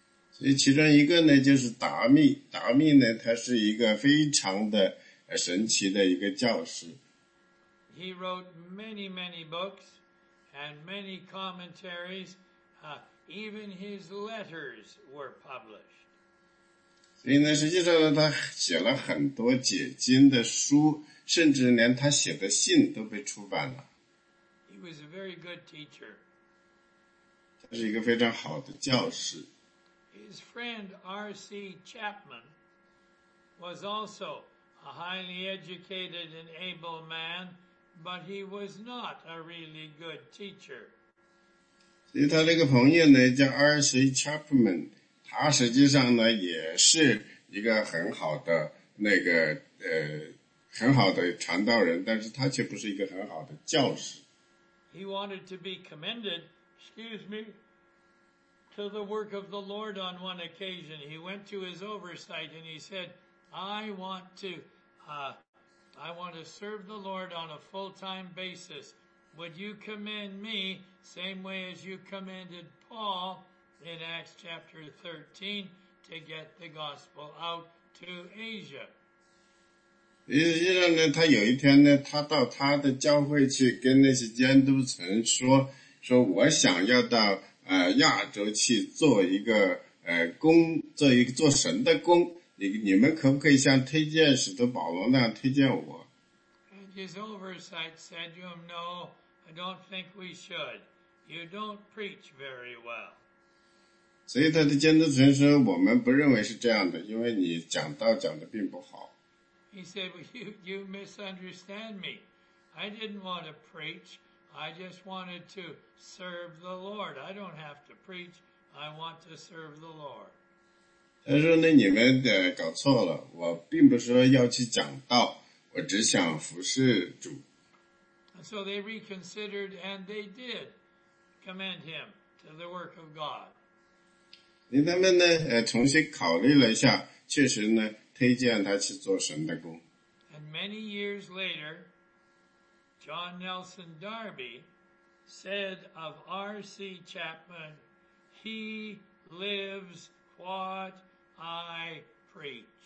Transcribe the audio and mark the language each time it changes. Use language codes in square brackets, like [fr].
[zh] 所以其中一个呢就是达密，达密呢他是一个非常的神奇的一个教师。 [en] He wrote many, many books and many commentaries. Even his letters were published. [zh] 所以呢，实际上呢，他写了很多解经的书，甚至连他写的信都被出版了。 [en] He was a very good teacher. [zh] 他是一个非常好的教师。 [en] His friend R.C. Chapman was also a highly educated and able man, but he was not a really good teacher. [zh] 所以他这个朋友呢叫 R.C. Chapman, 他实际上呢也是一个很好的那个很好的传道人，但是他却不是一个很好的教师。 [en] He wanted to be commended, excuse me, to the work of the Lord on one occasion. He went to his oversight and he said, I want to serve the Lord on a full-time basis. Would you commend me same way as you commended Paul in Acts chapter 13 to get the gospel out to Asia? [zh] 实际上呢，他有一天呢，他到他的教会去跟那些监督层说我想要到亚洲去做一个工，做一个做神的工，你们可不可以像推荐使徒保罗那样推荐我？ [en] And his oversight said to him, no. I don't think we should. You don't preach very well. [zh] 所以他的监督层说，我们不认为是这样的，因为你讲道讲的并不好。 [en] He said, well, you misunderstand me. I didn't want to preach. I just wanted to serve the Lord. I don't have to preach. I want to serve the Lord. [zh] 他说呢，你们搞错了。我并不是说要去讲道，我只想服侍主。 [en] So they reconsidered and they did commend him to the work of God. [zh] 他们呢重新考虑了一下，确实呢推荐他去做神的工。 [en] And many years later, John Nelson Darby said of R.C. Chapman, he lives what I preach.